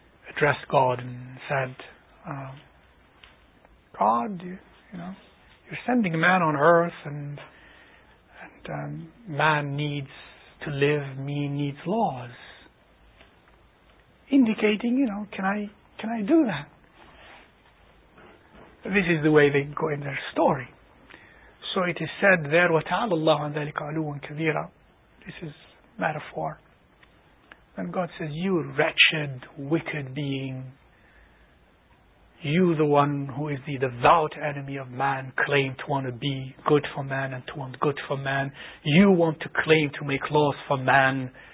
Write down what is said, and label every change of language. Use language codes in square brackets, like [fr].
[en] addressed God and said, God, you're sending man on earth and man needs to live, me needs laws. Indicating, can I do that? This is the way they go in their story. So it is said there, [ar] وَتَعَالَ اللَّهُ عَنْ ذَلِكَ عَلُوًا كَبِيرًا. [en] This is metaphor. And God says, you wretched, wicked being, you the one who is the devout enemy of man, claim to want to be good for man and to want good for man. You want to claim to make laws for man.